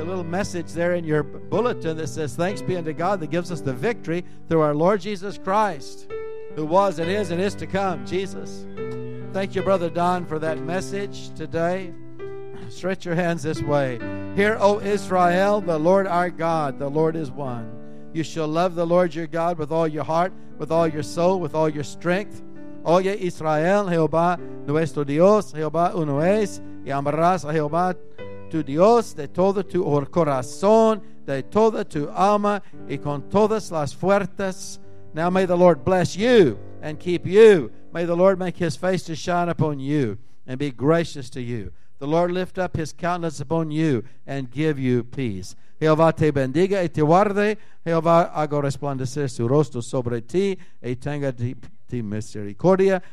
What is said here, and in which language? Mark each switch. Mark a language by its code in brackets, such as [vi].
[en] the little message there in your bulletin that says, thanks be unto God that gives us the victory through our Lord Jesus Christ, who was and is to come, Jesus. Thank you, Brother Don, for that message today. Stretch your hands this way. Hear, O Israel, the Lord our God, the Lord is one. You shall love the Lord your God with all your heart, with all your soul, with all your strength. [es] Oye, Israel, Jehová, nuestro Dios, Jehová uno es, y amarás a Jehová tu Dios de todo tu corazón, de toda tu alma, y con todas las fuerzas. [en] Now may the Lord bless you and keep you. May the Lord make his face to shine upon you and be gracious to you. The Lord lift up his countenance upon you and give you peace. [es] Jehová te bendiga y te guarde. Jehová haga resplandecer su rostro sobre ti y tenga ti misericordia.